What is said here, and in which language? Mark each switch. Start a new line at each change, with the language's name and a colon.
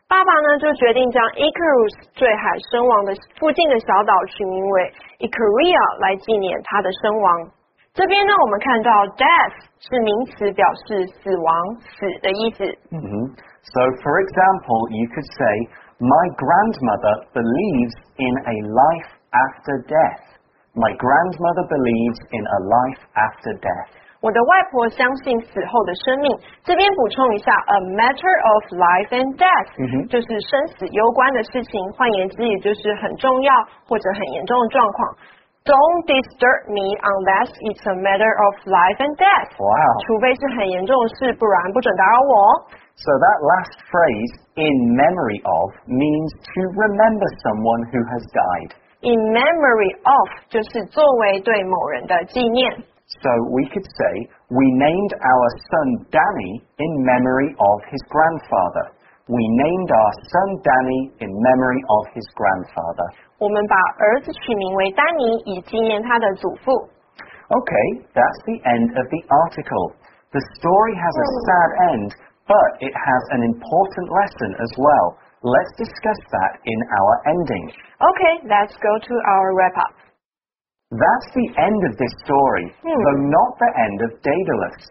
Chinese: 爸爸呢就决定将 Icarus 坠海身亡的附近的小岛取名为 Icaria 来纪念他的身亡。这边呢我们看到 death 是名词表示死亡死的意思。 Mm-hmm.
English: So for example, you could say, my grandmother believes in a life after death. My grandmother believes in a life after death.
Chinese: 我的外婆相信死后的生命。这边补充一下 ，
English: a matter of life and death，、 mm-hmm.
Chinese: 就是生死攸关的事情。换言之，也就是很重要或者很严重的状况。
English: Don't disturb me unless it's a matter of life and death. Wow.
Chinese: 除非是很严重的事，不然不准打扰我。
English: So that last phrase, in memory of, means to remember someone who has died.
Chinese: In memory of, 就是作为对某人的纪念。
English: So we could say, we named our son Danny in memory of his grandfather. We named our son Danny in memory of his grandfather.
Chinese: 我们把儿子取名为丹尼，以纪念他的祖父。
English: Okay, that's the end of the article. The story has a sad end, but it has an important lesson as well. Let's discuss that in our ending. Okay, let's go to our wrap-up. That's the end of this story, though not the end of Daedalus.